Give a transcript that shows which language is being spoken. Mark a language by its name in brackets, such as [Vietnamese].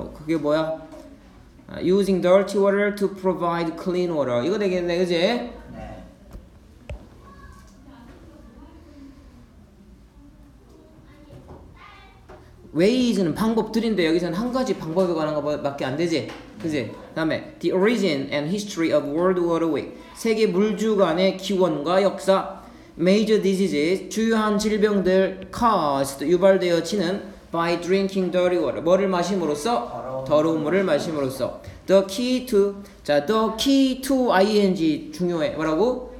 [Korean] 그게 뭐야? [English] Using dirty water to provide clean water. [Korean] 이거 되겠네, 그지? 네. 웨이즈는 방법들인데 여기서는 한 가지 방법에 관한 것밖에 안 되지? 그지? 다음에 [English] The origin and history of World Water Week. [Korean] 세계 물주간의 기원과 역사. [English] Major diseases, [Korean] 주요한 질병들 [English] caused, [Korean] 유발되어지는 [English] by drinking dirty water. [Korean] 뭐를 마심으로써? 더러운 물을 마심으로써. [English] The key to, [Korean] 자, [English] the key to ing [Korean] 중요해. 뭐라고?